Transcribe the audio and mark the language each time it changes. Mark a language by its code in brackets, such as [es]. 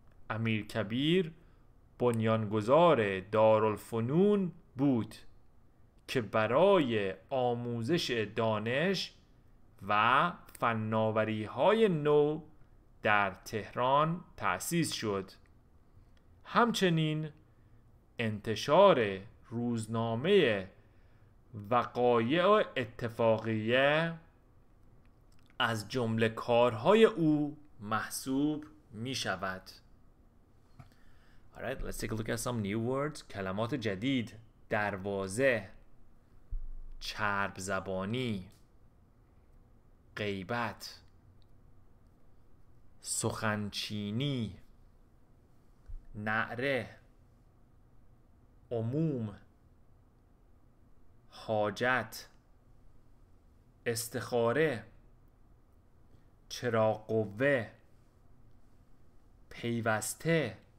[fa] امیر کبیر بنیانگذار دارالفنون بود که برای آموزش دانش و فناوری های نو در تهران تأسیس شد. همچنین انتشار روزنامه وقایع اتفاقیه از جمله کارهای او محسوب می شود. [en] Alright, let's take a look at some new words. [fa] کلمات جدید: دروازه، چرب زبانی، غیبت، سخنچینی، نعره، عموم، حاجت، استخاره، چراغ قوه، پیوسته،